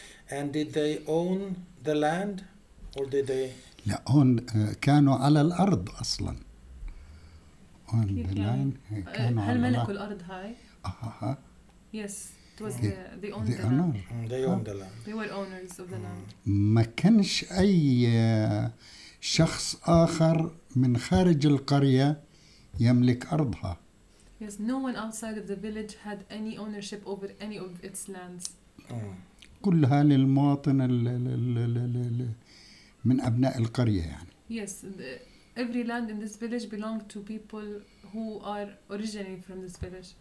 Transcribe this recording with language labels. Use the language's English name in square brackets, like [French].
[English] And did they own the land, or did they? [Arabic] لا هون كانوا على الأرض أصلاً. [English] On the land. [Arabic] كانوا هل ملكوا الأرض هاي؟ [English] Yes. It was they owned the land. They owned the land. They were owners of the land. [Arabic] ما كانش أي شخص آخر من خارج القرية يملك أرضها. [English] Yes, no one outside of the village had any ownership over any of its lands. [Arabic] كلها للمواطن اللي من أبناء القرية يعني. [English] Yes, every land in this village belonged to people who are originally from this village.